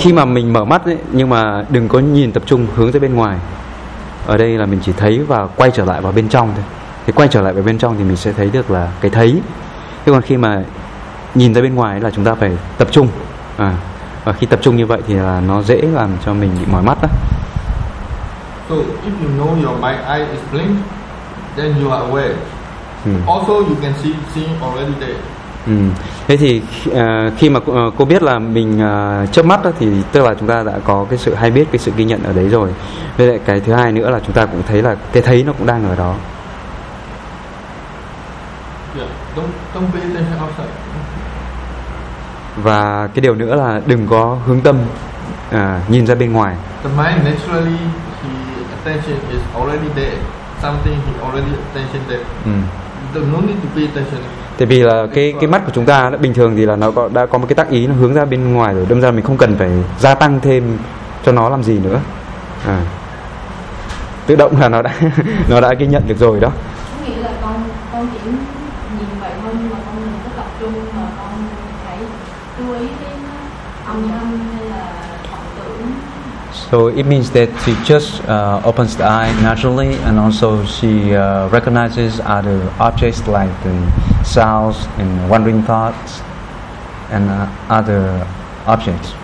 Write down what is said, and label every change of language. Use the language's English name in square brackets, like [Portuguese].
[Vietnamese] Khi mà mình mở mắt ấy, nhưng mà đừng có nhìn tập trung hướng tới bên ngoài. Ở đây là mình chỉ thấy và quay trở lại vào bên trong thôi. Thì quay trở lại vào bên trong thì mình sẽ thấy được là cái thấy. Thế còn khi mà nhìn ra bên ngoài là chúng ta phải tập trung. À, và khi tập trung như vậy thì là nó dễ làm cho mình bị mỏi mắt đó. [English] So if you know your right eye is blink, then you are aware. Hmm. Also you can see already there. Hmm. [Vietnamese] Thế thì khi mà cô biết là mình chớp mắt đó, thì tức là chúng ta đã có cái sự hay biết, cái sự ghi nhận ở đấy rồi. Với lại cái thứ hai nữa là chúng ta cũng thấy là cái thấy nó cũng đang ở đó. [English] Don't pay attention outside. [Vietnamese] Và cái điều nữa là đừng có hướng tâm nhìn ra bên ngoài. [English] The mind naturally, the attention is already there. Something he already attention there. Don't no need to pay attention. [Vietnamese] Tại vì là cái mắt của chúng ta đó, bình thường thì là nó đã có một cái tác ý nó hướng ra bên ngoài rồi, đâm ra mình không cần phải gia tăng thêm cho nó làm gì nữa. Tự động là nó đã nó đã ghi nhận được rồi đó. Có nghĩa là con chỉ nhìn vậy thôi, nhưng mà con mình rất tập trung mà con phải chú ý đến âm thanh hay là vọng tưởng. [English] So it means that she just opens the eye naturally, and also she recognizes other objects like the sounds and wandering thoughts and other objects,